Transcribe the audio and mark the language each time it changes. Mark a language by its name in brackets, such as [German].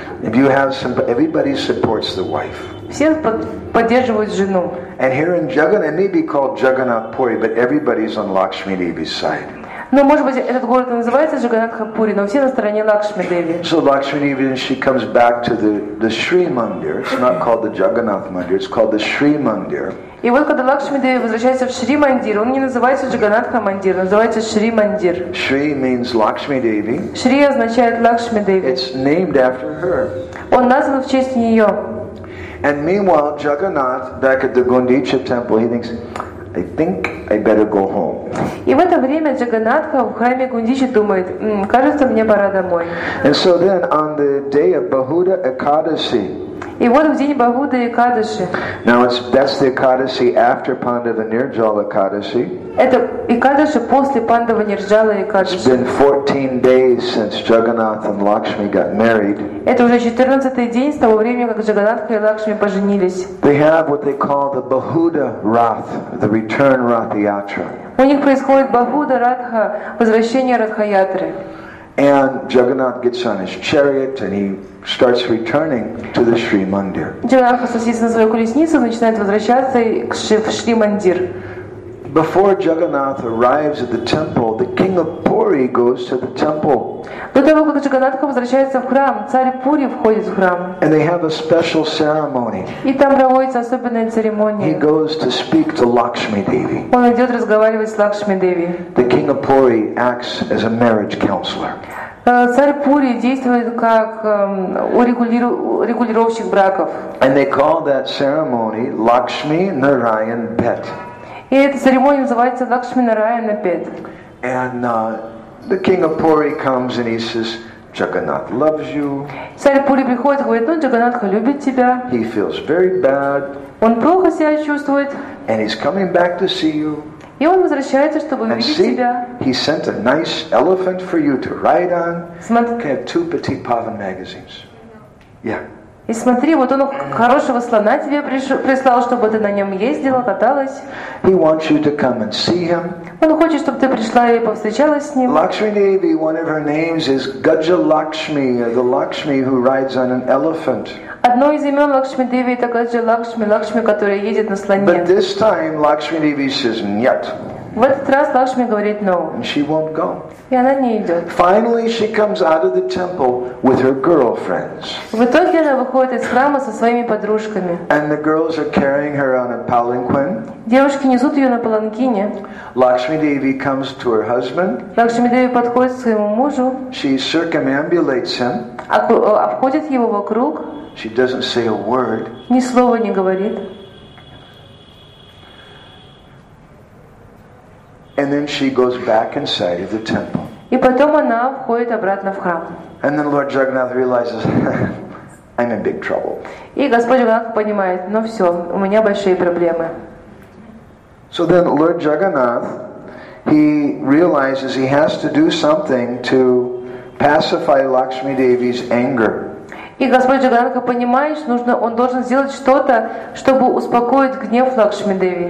[English] If you have some, everybody supports the wife. [Russian] Все поддерживают жену. [English] And here in Jagannath, it may be called Jagannath Puri, but everybody's on Lakshmi Devi's side. [Russian] Но, может быть, этот город называется Джаганатхапури, но все на стороне Лакшми Деви. [English] So Lakshmi Devi, she comes back to the Shri Mandir. It's not called the Jagannath Mandir, it's called the Shri Mandir. [Russian] И вот когда Лакшми Деви возвращается в Шри Мандир, он не называется Джаганатха Мандир, он называется Шри Мандир. [English] Шри means Lakshmi Devi. [Russian] Шри означает Лакшми Деви. [English] It's named after her. [Russian] Он назван в честь нее. [English] And meanwhile, Jagannath, back at the Gundicha temple, he thinks, I think I better go home. [Russian] И в это время Джаганатха в храме Гундичи думает, кажется, мне пора домой. [English] And so then on the day of Bahuda Ekadasi. [Russian] И вот в день Бахуды Экадаши. [English] Now it's best the Ekadasi after Pandava Nirjala Ekadasi. [Russian] Это Экадаши после Пандава Нирджала Экадаши. [English] It's been 14 days since Jagannath and Lakshmi got married. [Russian] Это уже 14-й день с того времени, как Джаганатха и Лакшми поженились. [English] They have what they call the Bahuda Rath, the return Rath Yatra. [Russian] У них происходит Бахуда Ратха, возвращение Ратхаятры. [English] And Jagannath gets on his chariot and he starts returning to the Shri Mandir. [Russian] Джаганатха садится на свою колесницу и начинает возвращаться к Шри Мандир. [English] Before Jagannath arrives at the temple, the king of Puri goes to the temple. [Russian] До того, как Джаганнатха возвращается в храм, царь Пури входит в храм. [English] And they have a special ceremony. [Russian] И там проводится особенная церемония. [English] He goes to speak to Lakshmi Devi. [Russian] Он идет разговаривать с Лакшми Деви. [English] The king of Puri acts as a marriage counselor. [Russian] Царь Пури действует как урегулировщик браков. [English] And they call that ceremony Lakshmi Narayan Pet. [Russian] И эта церемония называется Лакшми Нараяна Пет. [English] And the king of Puri comes and he says, Jagannath loves you. [Russian] Царь Пури приходит, говорит, ну Джаганнатха любит тебя. [English] He feels very bad. [Russian] Он плохо себя чувствует. [English] And he's coming back to see you. [Russian] И он возвращается, чтобы [English] and [Russian] увидеть [English] see, [Russian] тебя. [English] He sent a nice elephant for you to ride on. [Russian] Смотри. Can have two petit pavan magazines. Yeah. И смотри, вот он хорошего слона тебе прислал, чтобы ты на нем ездила, каталась. [English] He wants you to come and see him. [Russian] Он хочет, чтобы ты пришла и повстречалась с ним. [English] Lakshmi Devi, one of her names is Gaja Lakshmi, the Lakshmi who rides on an elephant. [Russian] Одно из имен Лакшми Деви это Гаджа Лакшми, Лакшми, которая едет на слоне. [English] But this time Lakshmi Devi says [Russian] нет. В этот раз Лакшми говорит [English] no. And she won't go. [Russian] И она не идет. [English] Finally, she comes out of the temple with her girlfriends. [Russian] В итоге она выходит из храма со своими подружками. [English] And the girls are carrying her on a palanquin. [Russian] Девушки несут ее на паланкине. [English] Lakshmi Devi comes to her husband. [Russian] Лакшми Деви подходит к своему мужу. [English] She circumambulates him. [Russian] Обходит его вокруг. [English] She doesn't say a word. [Russian] Ни слова не говорит. [English] And then she goes back inside of the temple. [Russian] И потом она входит обратно в храм. [English] And then Lord Jagannath realizes, I'm in big trouble. [Russian] И Господь Джагнатх понимает, ну все, у меня большие проблемы. [English] So then Lord Jagannath, he realizes he has to do something to pacify Lakshmi Devi's anger. [Russian] И Господь Джаганнатха понимает, нужно, он должен сделать что-то, чтобы успокоить гнев Лакшми Деви.